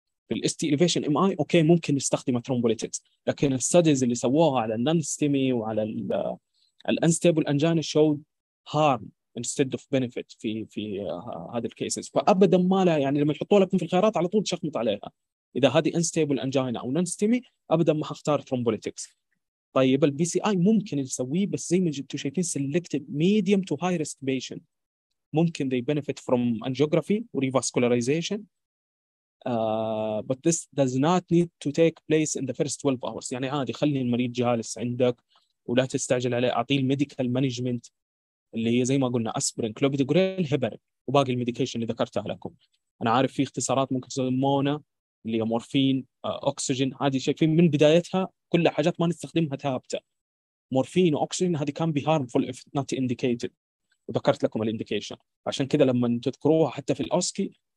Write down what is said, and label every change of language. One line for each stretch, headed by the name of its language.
Arabic: في الاستي اليفيشن ام اي اوكي ممكن نستخدم ثرومبوليتكس، لكن الستديز اللي سووها على النون ستيمي وعلى الانستابل انجاينا
English: should harm instead of benefit
Arabic: في هذه الكيسز، فابدا ما لها يعني لما يحطوا لكم في الخيارات على طول تشخبط عليها اذا هذه انستابل انجاينا او نون ستيمي ابدا ما حختار ثرومبوليتكس.
English: طيب البي C I
Arabic: ممكن نسويه بس زي ما انتم شايفين
English: Selected medium to high risk patient, ممكن دي benefit from angiography وريفاسكولاريزيشن. But this does not need to take place in the first 12 hours.
Arabic: يعني عادي خلي المريض جالس عندك ولا تستعجل عليه، أعطيه الميديكال مانجمنت اللي هي زي ما قلنا أسبرين كلوبيدوغريل هيبرين وباقي الميديكيشن اللي ذكرتها لكم. أنا عارف في اختصارات ممكن تسمونا اللي هي مورفين أكسجين، هذه شايفين من بدايتها كل حاجات ما نستخدمها ثابتة، مورفين وأكسجين هذه
English: can be harmful if not indicated,
Arabic: وذكرت لكم الإنديكيشن عشان كده لما تذكروها حتى في الأوسكي.